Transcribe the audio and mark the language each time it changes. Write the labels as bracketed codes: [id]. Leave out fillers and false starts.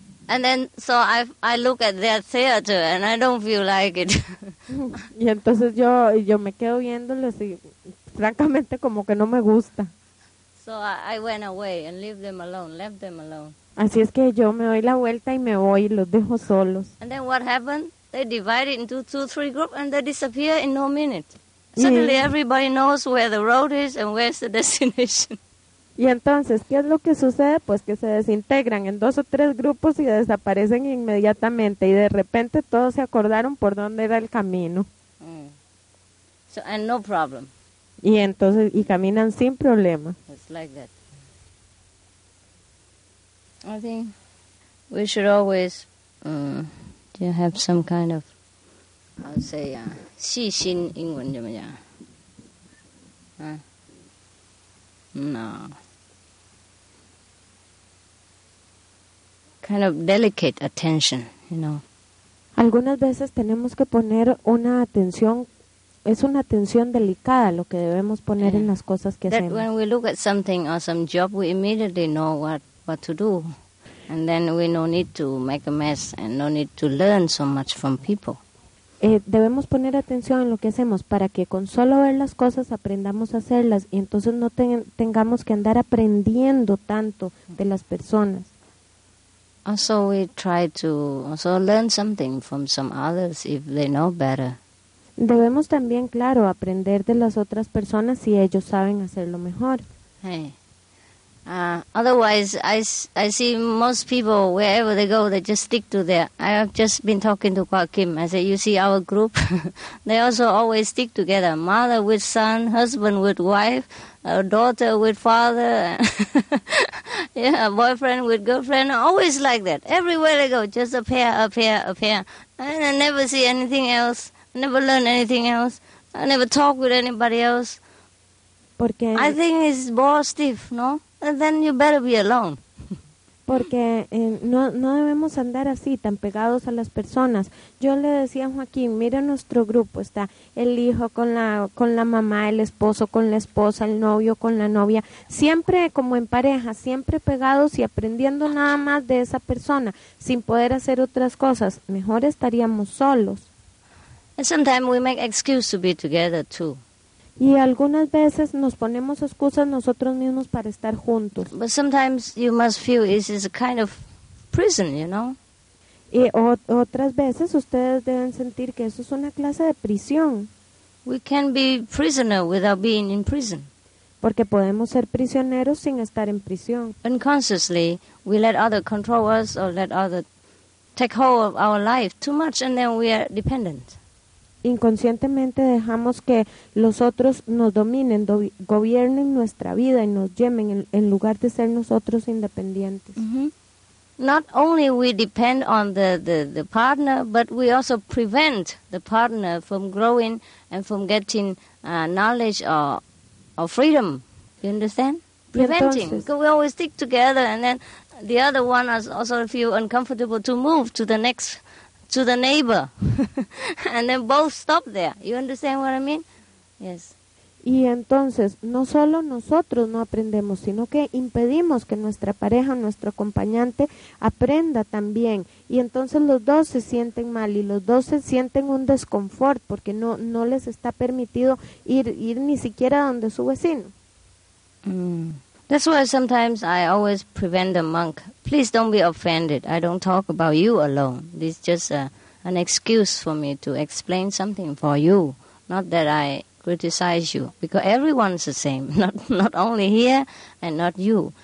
[en] And then I look at their theater and I don't feel like it. [es] Y entonces yo me quedo viéndolos y francamente como que no me gusta. [en] So I went away and left them alone. [es] Así es que yo me doy la vuelta y me voy y los dejo solos. [en] And then what happened? They divided into 2-3 groups and they disappear in no minute. Suddenly everybody knows where the road is and where's the destination. [es] Y entonces, ¿qué es lo que sucede? Pues que se desintegran en 2 o 3 grupos y desaparecen inmediatamente y de repente todos se acordaron por dónde era el camino. [en] So and no problem. [es] Y entonces, y caminan sin problema. [en] It's like that. I think we should always have some kind of, how to say, [zh] 细心, 英文怎么讲? [en] No. Kind of delicate attention, you know. [es] Algunas veces tenemos que poner una atención. Es una atención delicada lo que debemos poner en las cosas que hacemos. [en] That when we look at something or some job, we immediately know what to do. And then we no need to make a mess and no need to learn so much from people. [es] Debemos poner atención en lo que hacemos para que con solo ver las cosas aprendamos a hacerlas y entonces no tengamos que andar aprendiendo tanto de las personas. [en] Also we try to also learn something from some others if they know better. [es] Debemos también, claro, aprender de las otras personas si ellos saben hacerlo mejor. [en] Hey. Otherwise, I see most people, wherever they go, they just stick to their... I have just been talking to Kwa Kim. I say, you see our group? They also always stick together. Mother with son, husband with wife, daughter with father. Yeah, boyfriend with girlfriend. Always like that. Everywhere they go, just a pair. And I never see anything else. Never learn anything else. I never talk with anybody else. [es] Porque [en] I think it's more stiff, no? And then you better be alone. [es] Porque no debemos andar así, tan pegados a las personas. Yo le decía a Joaquín, mira nuestro grupo, está el hijo con la mamá, el esposo con la esposa, el novio con la novia, siempre como en pareja, siempre pegados y aprendiendo nada más de esa persona, sin poder hacer otras cosas. Mejor estaríamos solos. [en] And sometimes we make excuse to be together too. [es] Y algunas veces nos ponemos excusas nosotros mismos para estar juntos. [en] But sometimes you must feel this is a kind of prison, you know. [es] Y otras veces ustedes deben sentir que eso es una clase de prisión. [en] We can be prisoner without being in prison. [es] Porque podemos ser prisioneros sin estar en prisión. [en] Unconsciously, we let other control us or let other take hold of our life too much, and then we are dependent. [es] Inconscientemente dejamos que los otros nos dominen, gobiernen nuestra vida y nos lleven en lugar de ser nosotros independientes. [en] Not only we depend on the partner, but we also prevent the partner from growing and from getting knowledge or freedom. You understand? Preventing. Because we always stick together and then the other one has also feel uncomfortable to move to the next to the neighbor, and then both stop there. You understand what I mean? Yes. [es] Y entonces, no solo nosotros no aprendemos, sino que impedimos que nuestra pareja, nuestro acompañante, aprenda también. Y entonces los dos se sienten mal y los dos se sienten un desconfort porque no les está permitido ir ni siquiera donde su vecino. [en] That's why sometimes I always prevent the monk. Please don't be offended. I don't talk about you alone. This is just an excuse for me to explain something for you. Not that I criticize you, because everyone's the same, not only here and not you.